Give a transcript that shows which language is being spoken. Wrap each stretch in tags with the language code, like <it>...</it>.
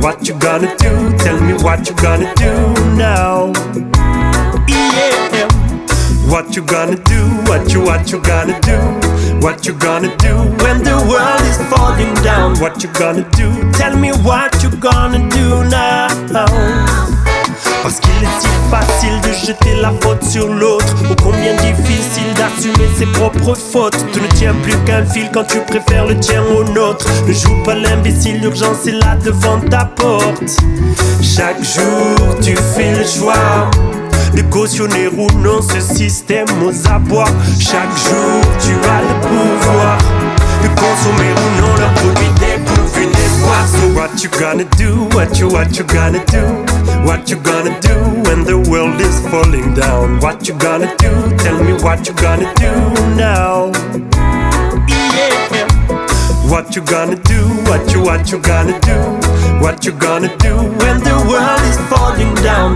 <en>What you gonna do? Tell me what you gonna do now. Yeah. What you gonna do? What you gonna do? What you gonna do when the world is falling down? What you gonna do? Tell me what you gonna do now.</en> <fr>Parce qu'il est si facile de jeter la faute sur l'autre. Ou combien difficile d'assumer ses propres fautes. Tu ne tiens plus qu'un fil quand tu préfères le tien au nôtre. Ne joue pas l'imbécile, l'urgence est là devant ta porte. Chaque jour tu fais le choix de cautionner ou non ce système aux abois. Chaque jour tu as le pouvoir de consommer ou non leurs produits dépourvus d'espoir.</fr> <en>So what you gonna do, what you gonna do? What you gonna do when the world is falling down? What you gonna do? Tell me what you gonna do now. Yeah. What you gonna do? What you gonna do? What you gonna do when the world is falling down?</en>